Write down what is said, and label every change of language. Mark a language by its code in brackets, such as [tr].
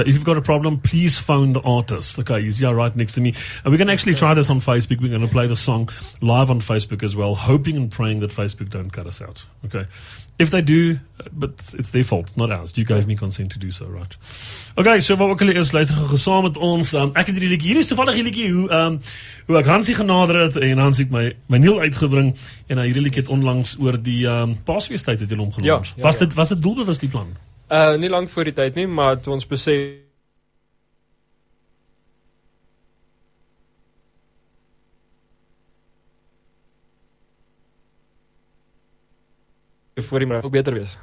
[en] If you've got a problem, please phone the artist. Okay? He's here right next to me. And we're going to actually try this on Facebook. We're going to play the song live on Facebook as well, hoping and praying that Facebook don't cut us out. Okay? If they do, but it's their fault, not ours. You gave me consent to do so, right? [af] Okay, so wat ook al is, luister gou saam met ons. Ek het hierdie liedjie, hier is toevallig hierdie liedjie, hoe ek Hansie genader het, en Hansie het my Neil uitgebring, en hierdie liedjie het onlangs oor die paasfeestyd het hulle omgeloos. Ja, was dit doelbewus die plan? Nie lang voor die tyd nie, maar toe ons besef, voor die maar ook beter wees.